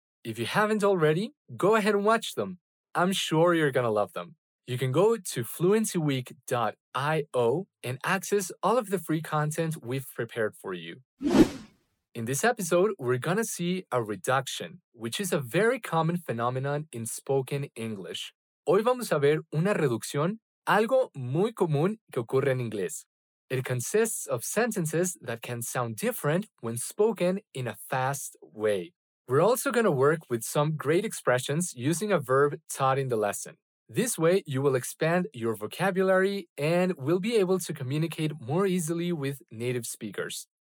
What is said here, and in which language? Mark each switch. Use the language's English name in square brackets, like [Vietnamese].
[English] If you haven't already, go ahead and watch them. I'm sure you're gonna love them. You can go to fluencyweek.io and access all of the free content we've prepared for you. In this episode, we're gonna see a reduction, which is a very common phenomenon in spoken English. [Spanish] Hoy vamos a ver una reducción, algo muy común que ocurre en inglés. [English] It consists of sentences that can sound different when spoken in a fast way. We're also going to work with some great expressions using a verb taught in the lesson. This way, you will expand your vocabulary and will be able to communicate more easily with native speakers.